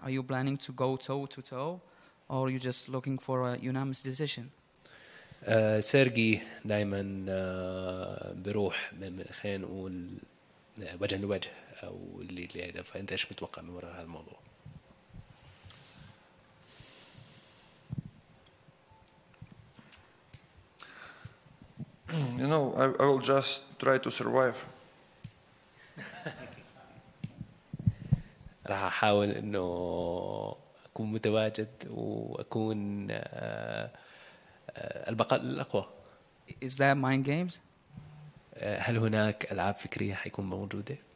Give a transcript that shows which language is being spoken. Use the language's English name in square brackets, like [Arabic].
[English] Are you planning to go toe to toe, or are you just looking for a unanimous decision? [Arabic] Sergey دائما بروح من خلينا نقول وجه لوجه, او اللي هذا, فانت ايش متوقع من وراء هذا الموضوع؟ [English] You know, I will just try to survive. [Arabic] راح احاول انه اكون متواجد واكون البقاء الاقوى. [English] Is that mind games? [Arabic] هل هناك العاب فكريه حيكون موجوده؟